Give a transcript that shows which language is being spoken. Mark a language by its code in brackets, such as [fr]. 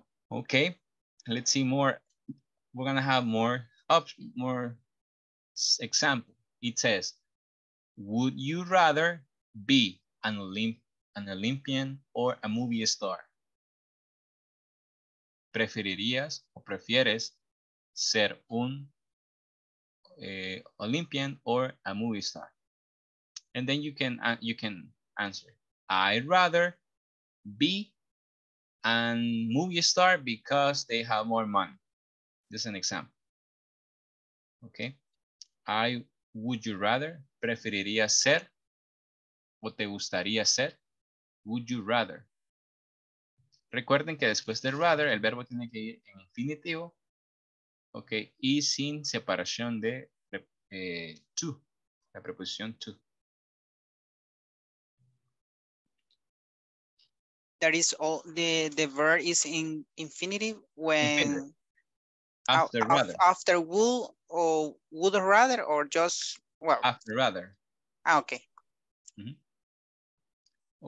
[en] Okay, let's see more. We're gonna have more more example. It says, would you rather be an Olympian or a movie star? [es] ¿Preferirías o prefieres ser un [en] Olympian or a movie star? And then you can answer, I'd rather be a movie star because they have more money. This is an example. Okay. I would you rather, [es] preferiría ser, o te gustaría ser, [en] would you rather. [es] Recuerden que después de rather, el verbo tiene que ir en infinitivo, ok, y sin separación de to, la preposición to. [en] That is all, the verb is in infinitive when... After rather. After would or would rather or just, well... After rather. Ah, okay. Mm-hmm.